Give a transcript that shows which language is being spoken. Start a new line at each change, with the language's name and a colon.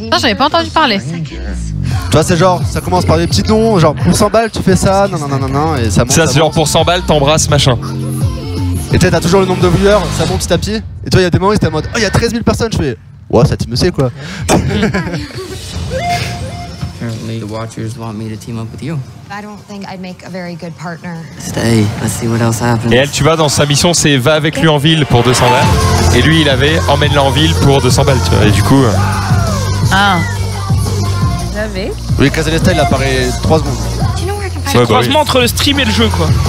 French: Non, j'avais pas entendu parler. Tu vois, c'est genre, ça commence par des petits noms, genre pour 100 balles tu fais ça, non, et ça monte. Ça c'est genre pour 100 balles t'embrasses machin. Et tu sais, t'as toujours le nombre de viewers, ça monte petit à petit. Et toi, il y a des moments où c'était en mode, oh, il y a 13 000 personnes, je fais, ouah, ça me sait quoi.
English: Apparently, the Watchers want me to team up with you. I don't think I'd make a very good partner. Stay, let's see what else happens.
French: Et elle, tu vas dans sa mission, c'est va avec lui en ville pour 200 balles. Et lui, il avait emmène-la en ville pour 200 balles, tu vois. Et du coup. Ah. Oui, Casanesta, il apparaît 3 secondes. C'est le croisement entre le stream et le jeu, quoi.